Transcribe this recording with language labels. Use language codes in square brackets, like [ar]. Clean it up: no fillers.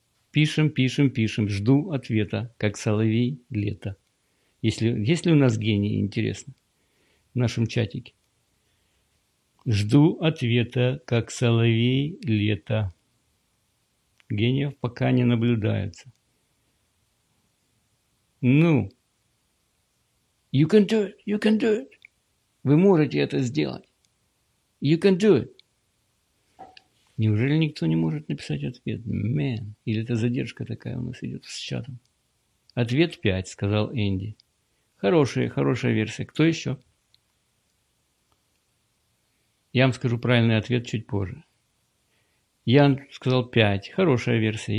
[ru] Пишем, пишем, пишем. Жду ответа, как соловей лето. Есть ли у нас гений, интересно, в нашем чатике? Жду ответа, как соловей лето. Гениев пока не наблюдается. Ну, [en] you can do it, you can do it. [ru] Вы можете это сделать. [en] You can do it. [ru] Неужели никто не может написать ответ? Man, или это задержка такая у нас идет с чатом? Ответ 5, сказал Энди. Хорошая версия. Кто еще? Я вам скажу правильный ответ чуть позже. Ян сказал 5, хорошая версия.